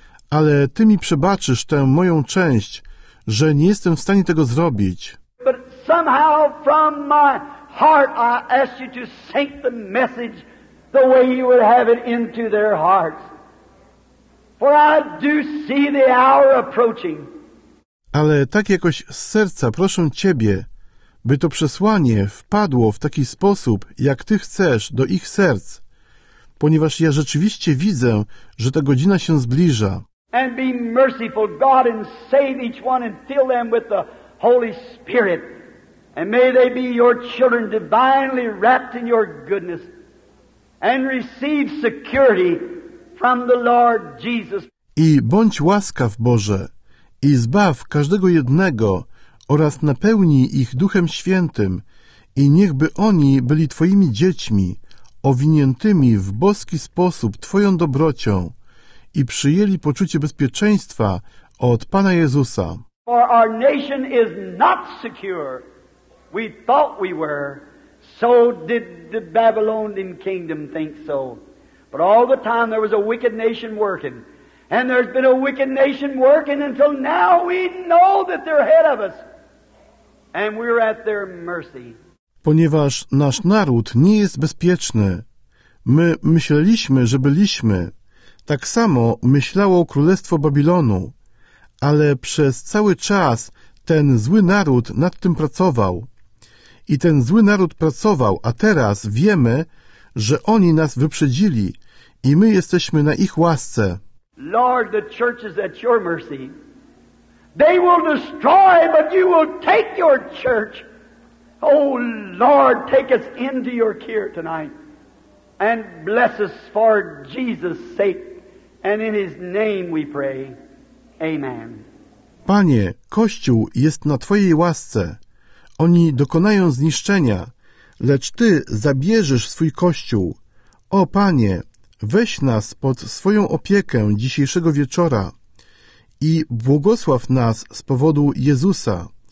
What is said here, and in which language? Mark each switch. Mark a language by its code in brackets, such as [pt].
[pl] ale Ty mi przebaczysz tę moją część, że nie jestem w stanie tego zrobić. [en] But somehow from my heart I ask you to sink the message the way you would have it into their hearts. For I do see the hour approaching. [pl] Ale tak jakoś z serca proszę Ciebie, by to przesłanie wpadło w taki sposób, jak Ty chcesz, do ich serc, ponieważ ja rzeczywiście widzę, że ta godzina się zbliża. [en] And be merciful, God, and save each one and fill them with the Holy Spirit. And may they be your children divinely wrapped in your goodness and receive security from the Lord Jesus. [pl] I bądź łaskaw, Boże, i zbaw każdego jednego oraz napełnij ich Duchem Świętym i niechby oni byli Twoimi dziećmi, owiniętymi w boski sposób Twoją dobrocią i przyjęli poczucie bezpieczeństwa od Pana Jezusa. [en] For our nation is not secure. We thought we were. So did the Babylonian kingdom think so. But all the time there was a wicked nation working. And there's been a wicked nation working until now we know that they're ahead of us. And we're at their mercy. [pl] Ponieważ nasz naród nie jest bezpieczny, my myśleliśmy, że byliśmy. Tak samo myślało Królestwo Babilonu. Ale przez cały czas ten zły naród nad tym pracował. I ten zły naród pracował, a teraz wiemy, że oni nas wyprzedzili i my jesteśmy na ich łasce. [en] Lord, the church is at your mercy. They will destroy, but you will take your church. Oh Lord, take us into your care tonight and bless us for Jesus' sake. And in his name we pray. Amen. [pl] Panie, Kościół jest na Twojej łasce. Oni dokonają zniszczenia, lecz Ty zabierzesz swój Kościół. O Panie, weź nas pod swoją opiekę dzisiejszego wieczora i błogosław nas z powodu Jezusa.